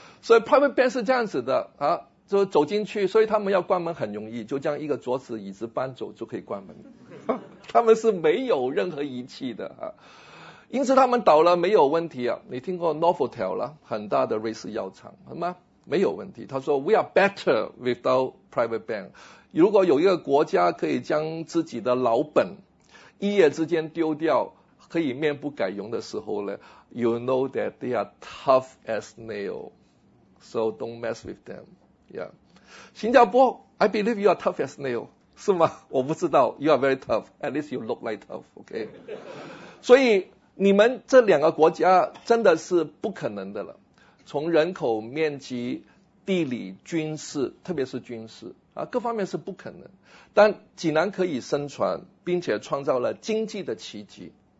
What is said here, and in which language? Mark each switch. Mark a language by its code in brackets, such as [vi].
[zh] 所以 Private Bank 是这样子的啊，就走进去，所以他们要关门很容易，就将一个桌子椅子搬走就可以关门。他们是没有任何仪器的啊，因此他们倒了没有问题啊。你听过 Novotel 了，很大的瑞士药厂，好吗？没有问题。他说 [en] We are better without Private Bank。如果有一个国家可以将自己的老本一夜之间丢掉，可以面不改容的时候呢 ， You know that they are tough as nails, so don't mess with them. Yeah, 新加坡 ，I believe you are tough as nails， [zh] 是吗？我不知道 [en] ，You are very tough. At least you look like tough. [zh] OK， 所以你们这两个国家真的是不可能的了，从人口、面积、地理、军事，特别是军事。啊，各方面是不可能，但济南可以生存，并且创造了经济的奇迹。